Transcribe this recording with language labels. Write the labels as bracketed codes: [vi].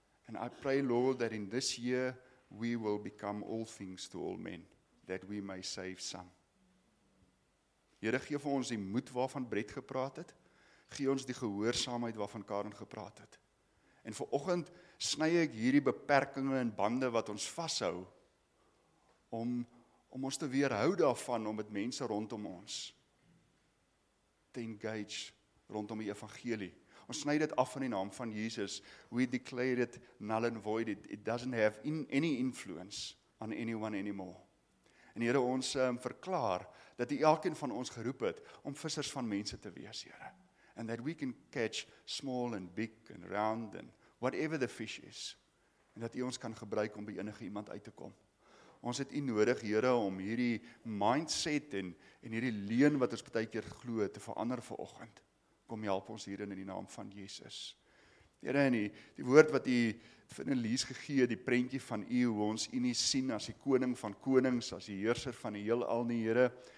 [en] And I pray Lord that in this year we will become all things to all men, that we may save some. [af] Here, gee vir ons die moed waarvan Brett gepraat het. Gee ons die gehoorsaamheid waarvan Karen gepraat het. En vanoggend sny ek hierdie beperkinge en bande wat ons vashou om ons te weerhou daarvan om met mense rondom ons te engage rondom die evangelie. Ons sny dit af in die naam van Jesus. [en] We declare it null and void. It doesn't have any influence on anyone anymore. [af] En Here, ons verklaar dat U elkeen van ons geroep het om vissers van mense te wees, Here. [en] And that we can catch small and big and round and whatever the fish is. [af] En dat U ons kan gebruik om by enige iemand uit te kom. Ons het U nodig, Here, om hierdie mindset en hierdie leuen wat ons baie keer glo te verander vir oggend. kom help ons hierin in die naam van Jesus. Here, en die woord wat u vir Elise gegee, die prentjie van u, hoe ons u nie sien as die koning van konings, as die heerser van die heelal nie, Here.